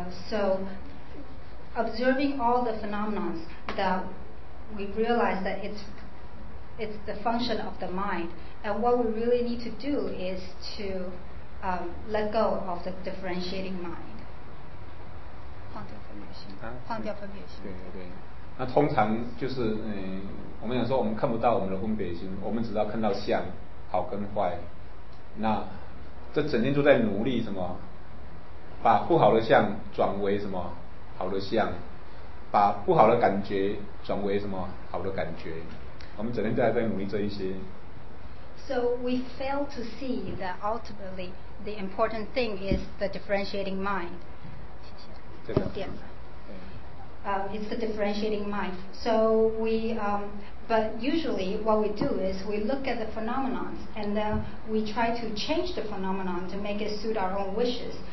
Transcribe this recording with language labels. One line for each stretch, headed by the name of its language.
English: So observing all the phenomena that we realize that it's the function of the mind, and what we really need to do is toLet go of the differentiating mind.
Chinese: 放掉分别心。啊、放掉分别心。对对。那通常就是我们想说我们看不到我们的分别心，我们只要看到相，好跟坏。那这整天都在努力什么，把不好的相转为什么好的相，把不好的感觉转为什么好的感觉。我们整天在努力这一些。
English: So we fail to see that ultimately the important thing is the differentiating mind. It's the differentiating mind. So we, but usually what we do is we look at the phenomena and then we try to change the phenomenon to make it suit our own wishes.